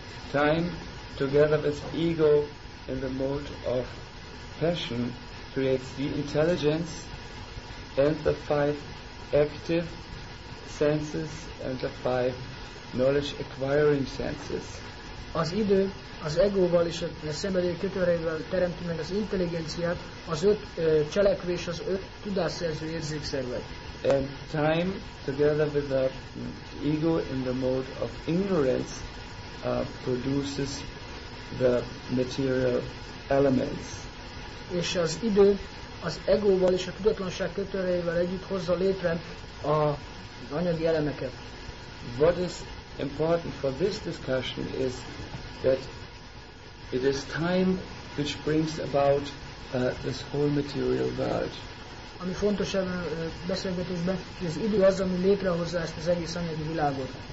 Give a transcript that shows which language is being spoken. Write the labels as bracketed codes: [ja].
[en] Time together with ego in the mode of passion creates the intelligence and the five active senses and the five knowledge acquiring senses. [hu] Az idő az egóval és a szenvedély kötőreivel teremti meg az intelligenciát, az öt cselekvés, az öt tudásszerző érzékszervet. [en] And time, together with the ego in the mode of ignorance, produces the material elements. [hu] És az idő az egóval és a tudatlanság kötőreivel együtt hozza létre az anyagi elemeket. [en] What is important for this discussion is that it is time which brings about this whole material world. [hu] Ami fontos ebben a beszélgetésben, hogy az idő az, ami létrehozza ezt az egész anyagi világot.